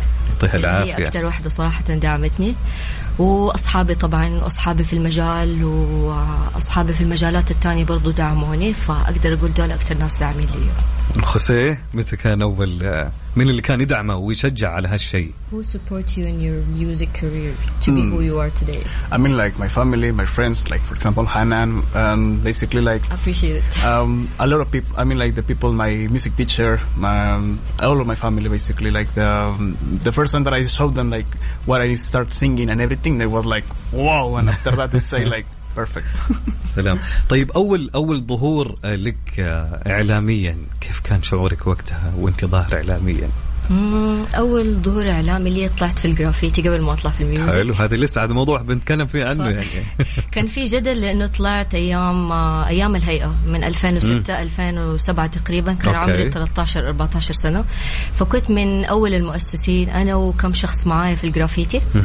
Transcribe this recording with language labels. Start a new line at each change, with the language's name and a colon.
Arabic: يعطيها العافية هي أكثر واحدة صراحة دعمتني وأصحابي طبعا أصحابي في المجال وأصحابي في المجالات الثانية برضو دعموني فأقدر أقول دول أكثر ناس داعمين لي. خوسيه متى كان أول من اللي كان يدعمه ويشجع على هالشيء؟
English: Who support you in your music career to be who you are today? I mean like my family, my friends, like for example Hanan, basically like appreciate it. A lot of people. I mean like the people, my music teacher, all of my family, basically like the first time that I showed them like what I start singing and everything, they was like wow, and after that they say like perfect.
Arabic: سلام. طيب أول ظهور لك إعلاميا كيف كان شعورك وقتها وأنت ظاهر إعلاميا؟ أول ظهور إعلامي اللي طلعت في الجرافيتي قبل ما أطلع في الميوزك. حلو. هذا لسه عاد موضوع بنتكلم فيه عنه يعني. كان في جدل لأنه طلعت أيام الهيئة من 2006 2007 تقريبا كان عمري 13-14 سنة فكنت من أول المؤسسين أنا وكم شخص معايا في الجرافيتي.